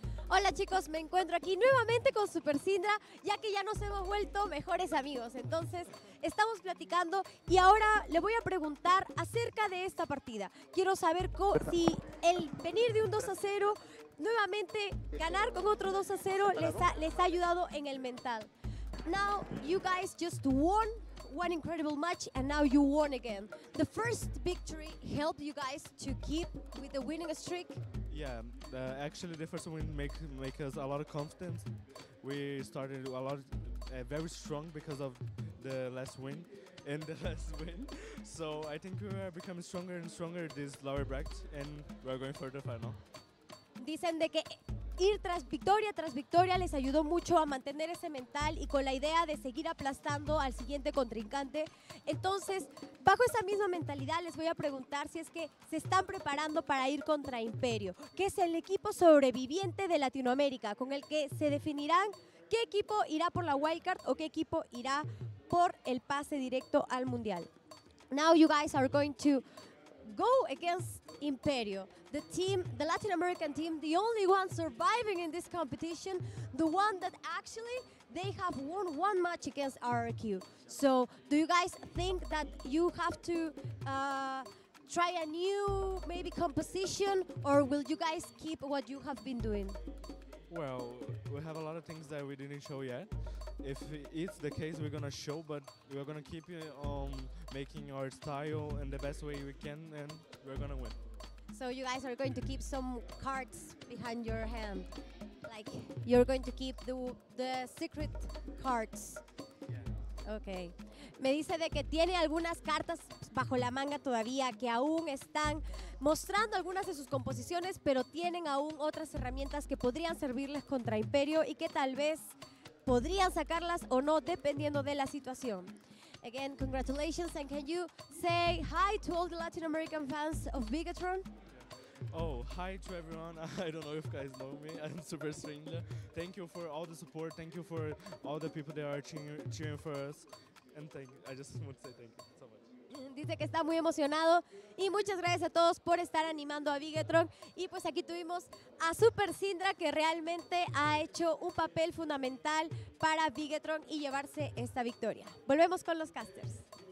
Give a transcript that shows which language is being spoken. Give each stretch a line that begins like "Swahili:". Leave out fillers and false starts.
Spanish: Hola chicos, me encuentro aquí nuevamente con Super Syndra, ya que ya nos hemos vuelto mejores amigos. Entonces, estamos platicando y ahora le voy a preguntar acerca de esta partida. Quiero saber si el venir de un 2-0, nuevamente ganar con otro 2-0, les ha ayudado en el mental.
English: Now, you guys just won one incredible match and now you won again. The first victory helped you guys to keep with the winning streak. Yeah, actually the first win make us a lot of confidence. We started a lot very strong because of the last win and the last win. So I think we are becoming stronger and stronger this lower bracket and we are going for the final.
Spanish: Dicen de que ir tras victoria les ayudó mucho a mantener ese mental y con la idea de seguir aplastando al siguiente contrincante. Entonces, bajo esa misma mentalidad les voy a preguntar si es que se están preparando para ir contra Imperio, que es el equipo sobreviviente de Latinoamérica, con el que se definirán qué equipo irá por la wildcard o qué equipo irá por el pase directo al Mundial.
English: Now you guys are going to go against Imperio, the team, the Latin American team, the only one surviving in this competition, the one that actually they have won one match against RRQ. So, do you guys think that you have to try a new maybe composition, or will you guys keep what you have been doing? Well, we have a lot of things that we didn't show yet. If it's the case, we're gonna show, but we're gonna keep making our style in the best way we can, and we're gonna win. So you guys are going to keep some cards behind your hand, like you're going to keep the secret cards. Yeah. Okay.
Spanish: Me dice de que tiene algunas cartas bajo la manga todavía, que aún están mostrando algunas de sus composiciones, pero tienen aún otras herramientas que podrían servirles contra Imperio y que tal vez podrían sacarlas o no, dependiendo de la situación.
English: Again, congratulations, and can you say hi to all the Latin American fans of Bigatron? Oh, hi to everyone. I don't know if you guys know me. I'm Super Stranger. Thank you for all the support. Thank you for all the people that are cheering for us. And thank you. I just want to say thank you so much.
Spanish: Dice que está muy emocionado y muchas gracias a todos por estar animando a Bigetron. Y pues aquí tuvimos a Super Syndra, que realmente ha hecho un papel fundamental para Bigetron y llevarse esta victoria. Volvemos con los casters.